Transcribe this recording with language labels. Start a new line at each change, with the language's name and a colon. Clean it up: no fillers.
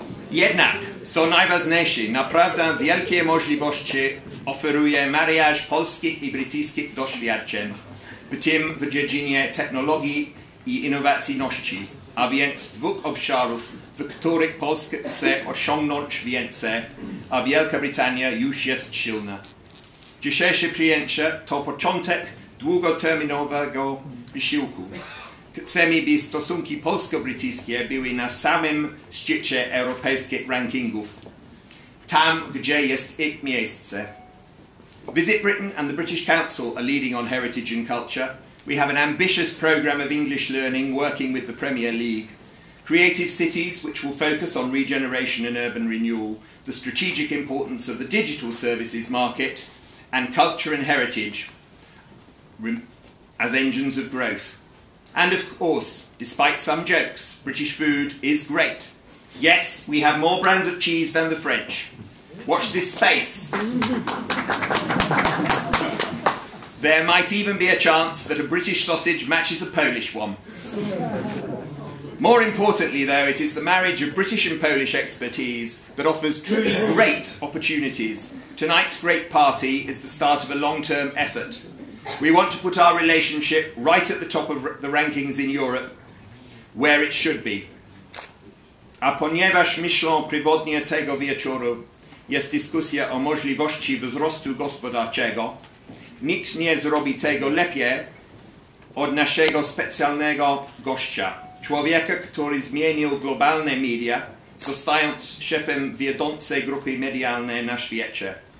Polish: Jednak, co najważniejsze, naprawdę wielkie możliwości oferuje mariaż polskich i brytyjskich doświadczeń, w tym w dziedzinie technologii i innowacyjności, a więc dwóch obszarów, w których Polska chce osiągnąć więcej, a Wielka Brytania już jest silna. Dzisiejsze przyjęcie to początek długoterminowego wysiłku. Chcemy, by stosunki polsko-brytyjskie były na samym szczycie europejskich rankingów, tam, gdzie jest ich miejsce.
English: Visit Britain and the British Council are leading on heritage and culture. We have an ambitious programme of English learning working with the Premier League. Creative cities, which will focus on regeneration and urban renewal, the strategic importance of the digital services market, and culture and heritage as engines of growth. And of course, despite some jokes, British food is great. Yes, we have more brands of cheese than the French. Watch this space. There might even be a chance that a British sausage matches a Polish one. More importantly, though, it is the marriage of British and Polish expertise that offers truly great opportunities. Tonight's great party is the start of a long-term effort. We want to put our relationship right at the top of the rankings in Europe, where it should be.
Polish: A ponieważ myślą prywatnie tego wieczoru jest dyskusja o możliwości wzrostu gospodarczego, nikt nie zrobi tego lepiej od naszego specjalnego gościa, człowieka, który zmienił globalne media, zostając szefem wiodącej grupy medialnej na świecie.